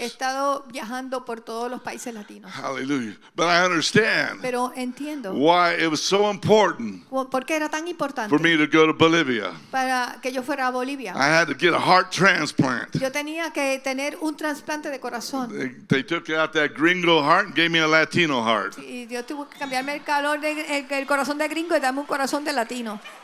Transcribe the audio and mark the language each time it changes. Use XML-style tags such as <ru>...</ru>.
<es>He estado viajando por todos los países latinos.</es> <en>Hallelujah. But I understand.</en> <es>Pero entiendo.</es> <en>Why it was so important.</en> <es>Porque era tan importante.</es> <en>For me to go to Bolivia.</en> <es>Para que yo fuera a Bolivia.</es> <en>I had to get a heart transplant.</en> <es>Yo tenía que tener un trasplante de corazón.</es> <en>They took out that gringo heart and gave me a Latino. Heart.</en> <es>Y Dios tuvo que cambiarme el calor del el corazón de gringo y darme un corazón de latino.</es>